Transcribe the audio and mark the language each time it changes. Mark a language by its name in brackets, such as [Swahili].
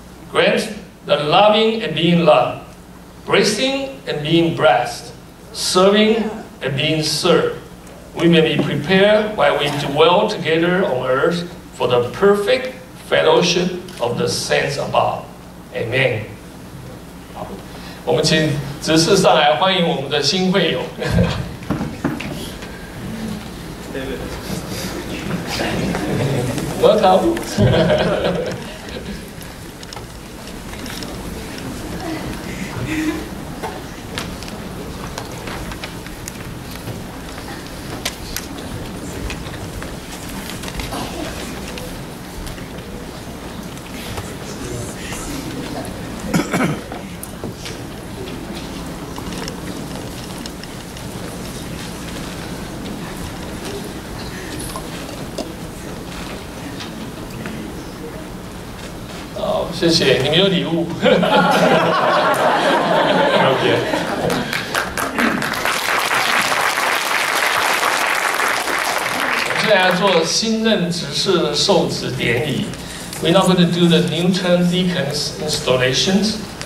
[English] Grant the loving and being loved, blessing and being blessed, serving and being served. We may be prepared while we dwell together on earth for the perfect,Fellowship of the saints above. Amen. [Chinese] 好，我们请执事上来欢迎我们的新会友。 [English] David. Welcome. [Chinese] 谢谢，你们有礼物。OK。我们现在要做新任执事的受职典礼。 [English] We're now going to do the new term deacons installations.